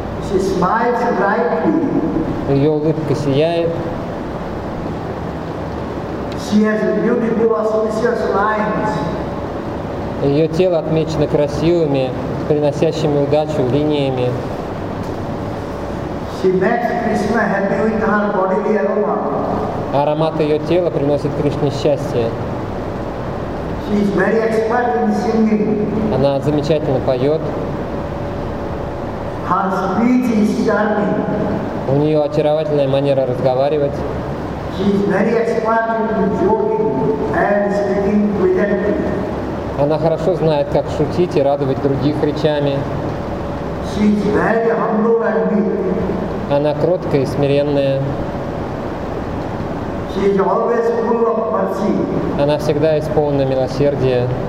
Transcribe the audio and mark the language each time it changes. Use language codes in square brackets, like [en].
[en] She smiles brightly. [ru] Ее улыбка сияет. [en] She has beautiful auspicious lines. [ru] Ее тело отмечено красивыми, приносящими удачу линиями. [en] She makes Krishna happy with her bodily aroma. [ru] Аромат ее тела приносит Кришне счастье. [en] She is very expert in singing. [ru] Она замечательно поет. [en] Her speech is charming. [ru] У нее очаровательная манера разговаривать. [en] She is very expert in joking and speaking pleasantly. [ru] Она хорошо знает, как шутить и радовать других речами. [en] She is very humble and meek. [ru] Она кроткая и смиренная. [en] She is always full of mercy. [ru] Она всегда исполнена милосердия.